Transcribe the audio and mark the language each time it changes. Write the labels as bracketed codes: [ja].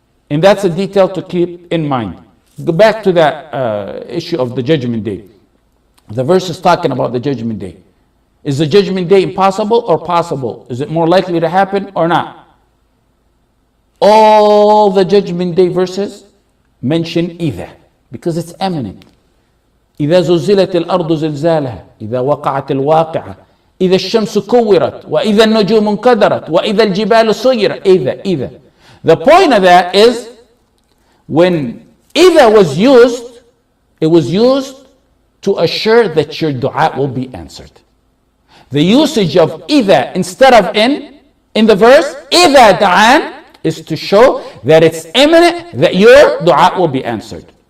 [en] And that's a detail to keep in mind. Go back to that issue of the judgment day. The verse is talking about the judgment day. Is the judgment day impossible or possible? Is it more likely to happen or not? All the judgment day verses mention إذا, because it's imminent. [ar] إذا زلزلت الأرض زلزالها, إذا وقعت الواقعة, إذا الشمس كورت, وإذا النجوم انكدرت, وإذا الجبال سيرت, إذا. [en] The point of that is, when إذا was used, it was used to assure that your dua will be answered. The usage of إذا instead of in the verse, [ar] إذا دعان, [en] is to show that it's imminent that your dua will be answered.